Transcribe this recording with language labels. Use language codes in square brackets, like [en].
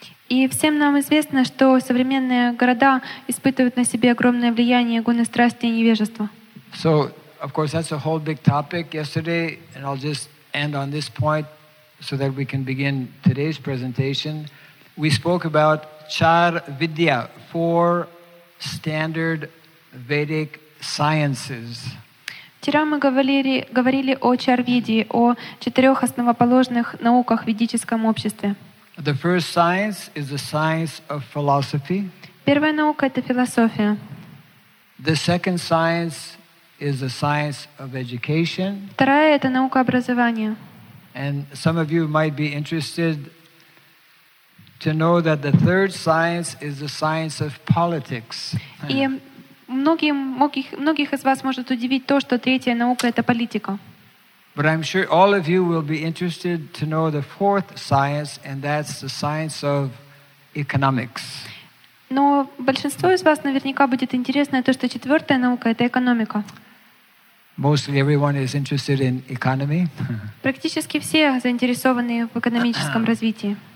[ru] И всем нам известно, что современные города испытывают на себе огромное влияние гуны страсти и невежества. [en] So, of course, that's a whole big topic yesterday, and I'll just end on this point so that we can begin today's presentation. We spoke about char vidya, four standard Vedic sciences. [ru] Вчера мы говорили о чарвидии, о четырех основоположных науках в ведическом обществе. [en] The first science is the science of philosophy. [ru] Первая наука — это философия. [en] The second science is the science of education. [ru] Вторая — это наука образования. [en] And some of you might be interested to know that the third science is the science of politics. [ru] Многих из вас может удивить то, что третья наука — это политика. [en] But I'm sure all of you will be interested to know the fourth science, and that's the science of economics. [ru] Но большинство из вас наверняка будет интересно то, что четвертая наука — это экономика. [en] Mostly everyone is interested in economy. [ru] Практически все заинтересованы в экономическом развитии.